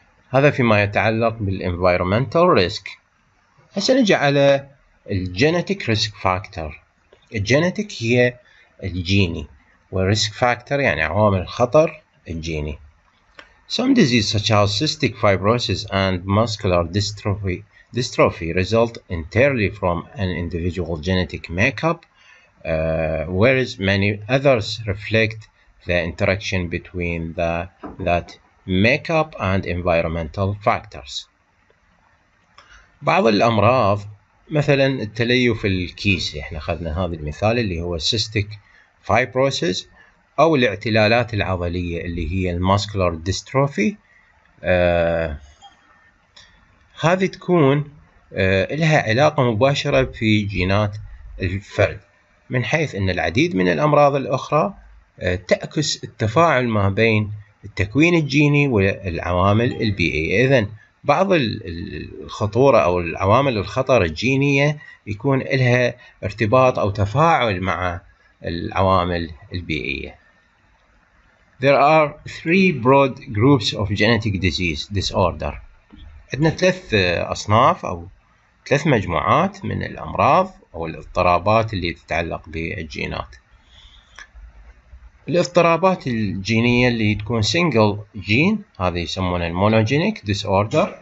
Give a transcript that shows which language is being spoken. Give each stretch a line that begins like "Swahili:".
Arabic: هذا فيما يتعلق بالانفايرومنتال ريسك. هسه نجي على الجينيتك ريسك فاكتور. الجينيتك هي الجيني، والريسك فاكتور يعني عوامل الخطر الجيني.
English: Some diseases such as cystic fibrosis and muscular dystrophy dystrophy result entirely from an individual genetic makeup, whereas many others reflect the interaction between that makeup and environmental factors.
Arabic: بعض الأمراض مثلا التليف الكيسي، احنا اخذنا هذا المثال اللي هو
English: cystic fibrosis،
Arabic: او الاعتلالات العضلية اللي هي
English: muscular dystrophy.
Arabic: هذه تكون لها علاقة مباشرة في جينات الفرد، من حيث ان العديد من الأمراض الأخرى تعكس التفاعل ما بين التكوين الجيني والعوامل البيئية. إذن بعض الخطورة أو العوامل الخطر الجينية يكون لها ارتباط أو تفاعل مع العوامل البيئية.
English: There are three broad groups of genetic disease disorder.
Arabic: عندنا ثلاث أصناف أو ثلاث مجموعات من الأمراض أو الاضطرابات اللي تتعلق بالجينات. الاضطرابات الجينية اللي تكون
English: single gene،
Arabic: هذه يسمونها
English: monogenic disorder.